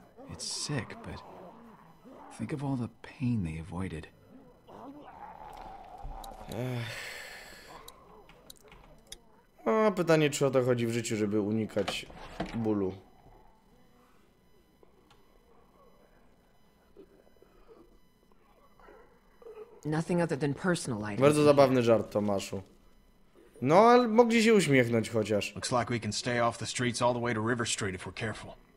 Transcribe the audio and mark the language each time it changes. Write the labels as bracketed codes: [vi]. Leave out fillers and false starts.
[en] It's sick, but think of all the pain they avoided. [pl] A pytanie, czy o to chodzi w życiu, żeby unikać bólu. [en] Nothing other than personal life. [pl] Bardzo zabawny żart, Tomaszu. No, ale mogli się uśmiechnąć chociaż. [en] Looks like we can stay off the streets all the way to River Street if we're careful.